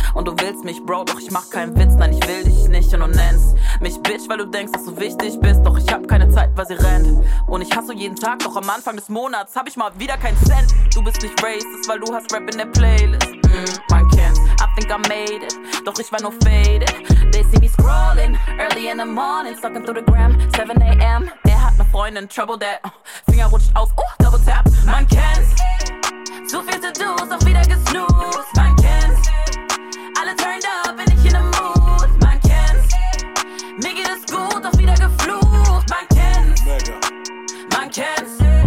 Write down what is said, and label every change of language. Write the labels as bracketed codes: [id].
[de] Und du willst mich, Bro, doch ich mach keinen Witz, nein, ich will dich nicht. Und du nennst mich Bitch, weil du denkst, dass du wichtig bist, doch ich hab keine Zeit, weil sie rennt. Und ich hasse jeden Tag, doch am Anfang des Monats hab ich mal wieder keinen Cent. Du bist nicht racist, weil du hast Rap in der Playlist. Man kennt's, [en] I think I made it, [de] doch ich war nur faded. [en] They see me scrolling, early in the morning, stalking through the gram, 7 a.m. [de] Der hat ne Freundin, trouble that, Finger rutscht aus, double tap. Man kennt's, zu viel zu tun, ist auch wieder gesnoozt. Man kennt's, alle turned up, bin ich in einem Mood. Man kennt's, mir geht es gut, auch wieder geflucht. Man kennt's, man kennt's.